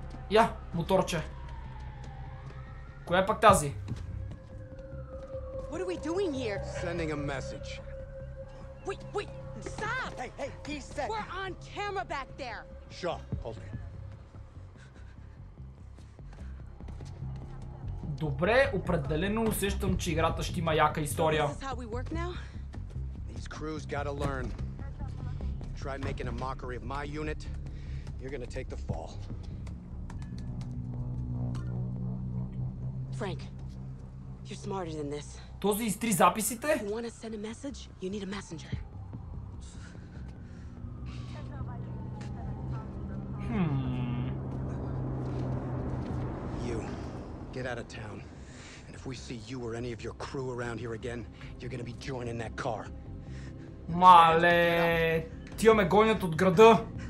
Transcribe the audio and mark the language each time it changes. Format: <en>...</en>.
<bg>Я, моторче. Коя е пак тази?</bg> <en>What are we doing here? Sending a message. Wait, stop! Hey, he said. We're on camera back there. Shaw, hold me.</en> <bg>Добре, определено усещам, че играта ще има яка история.</bg> <en>This is how we work now? These crews gotta learn. You try making a mockery of my unit, you're gonna take the fall. Frank, you're smarter than this.</en> <bg>Този изтри записите?</bg> <en>You wanna send a message? You need a messenger. You, get out of town. And if we see you or any of your crew around here again, you're gonna be joining that car.</en> <bg>Мале, тия ме гонят от града.</bg>